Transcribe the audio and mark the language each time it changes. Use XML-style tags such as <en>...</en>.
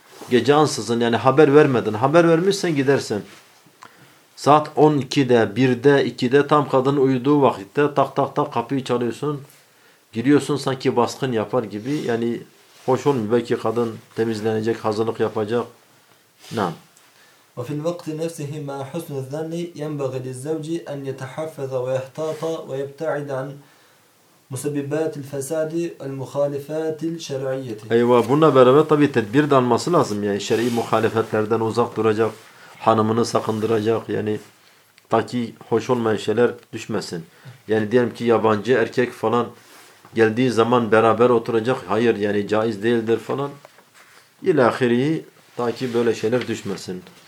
<tr>Gece ansızın yani haber vermedin. Haber vermişsen gidersin. Saat 12'de, 1'de, 2'de tam kadın uyuduğu vakitte tak tak tak kapıyı çalıyorsun. Giriyorsun sanki baskın yapar gibi. Yani hoş olmuyor. Belki kadın temizlenecek, hazırlık yapacak.</tr> <ar>Nam. وفي الوقت نفسه مع حسن الظن ينبغي للزوج أن يتحفظ ويحتاط ويبتعد عن مسببات الفساد والمخالفات الشرعية.</ar> <tr>أيوة, bununla beraber tabii tedbir de alması lazım. Yani şer'i muhalefetlerden uzak duracak, hanımını sakındıracak. Yani ta ki hoş olmayan şeyler düşmesin. Yani diyelim ki yabancı erkek falan geldiği zaman beraber oturacak. Hayır, yani caiz değildir falan. İlahiri, ta ki böyle şeyler düşmesin.</tr>